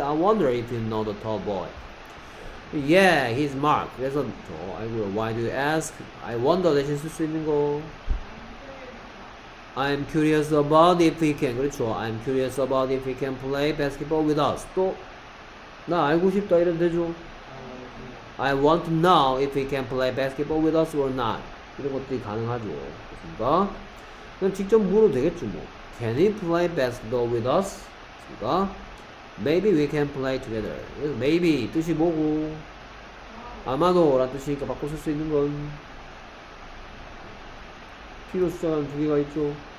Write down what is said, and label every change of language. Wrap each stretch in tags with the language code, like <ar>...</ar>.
<en>I wonder if you know the tall boy Yeah, he's Mark.</en> <ko>그래서 저 아이고요.</ko> <en>Why do you ask?</en> <ko>I wonder 대신 쓸 수 있는 거.</ko> <en>I'm curious about if he can.</en> <ko>그렇죠.</ko> <en>I'm curious about if he can play basketball with us.</en> <ko>또 나 알고 싶다 이런 대죠.</ko> <en>I want to know if he can play basketball with us or not.</en> <ko>이런 것들이 가능하죠. 그렇습니까? 그럼 직접 물어도 되겠죠. 뭐.</ko> <en>Can he play basketball with us?</en> <ko>그렇습니까?</ko> <en>Maybe we can play together.</en> <ko>Maybe 뜻이 뭐고 아마도라는 뜻이니까 바꿔 쓸 수 있는 건 필요 수단 두 개가 있죠.</ko>